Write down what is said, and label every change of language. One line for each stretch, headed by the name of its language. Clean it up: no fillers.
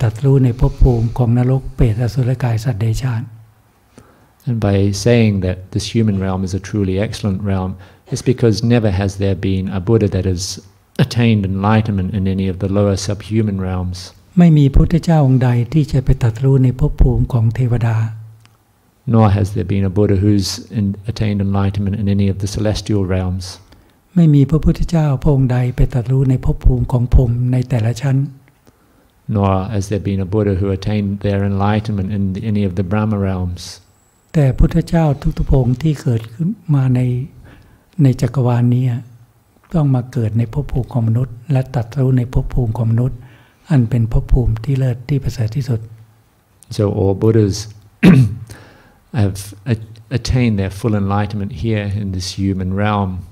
Thai: และที่ว่าภพภูมิของมนุษย์นี้เป็นภพภูมิที่เลิศที่ประเสริฐที่สุดก็เพราะว่าไม่มีพระพุทธเจ้าองค์ใดที่จะไปตรัสรู้ในภพภูมิของนรกเปรตอสุรกายสัตว์เดรัจฉาน
English: And by saying that this human realm is a truly excellent realm, it's because never has there been a Buddha that has attained enlightenment in any of the lower subhuman realms.
Thai: ไม่มีพุทธเจ้าองค์ใดที่จะไปตรัสรู้ในภพภูมิของเทวดา
English: Nor has there been a Buddha who's attained enlightenment in any of the celestial realms.
Thai: ไม่มีพระพุทธเจ้าพระองค์ใดไปตรัสรู้ในภพภูมิของพรหมในแต่ละชั้น
English: Nor has there been a Buddha who attained their enlightenment in any of the Brahma realms.
Thai: แต่พุทธเจ้าทุกๆองค์ที่เกิดขึ้นมาในจักรวาลนี้ต้องมาเกิดในภพภูมิของมนุษย์และตรัสรู้ในภพภูมิของมนุษย์ อันเป็นภพภูมิที่เลิศที่ประเสริฐที่สุด
English: So all Buddhas have attained their full enlightenment here in this human realm.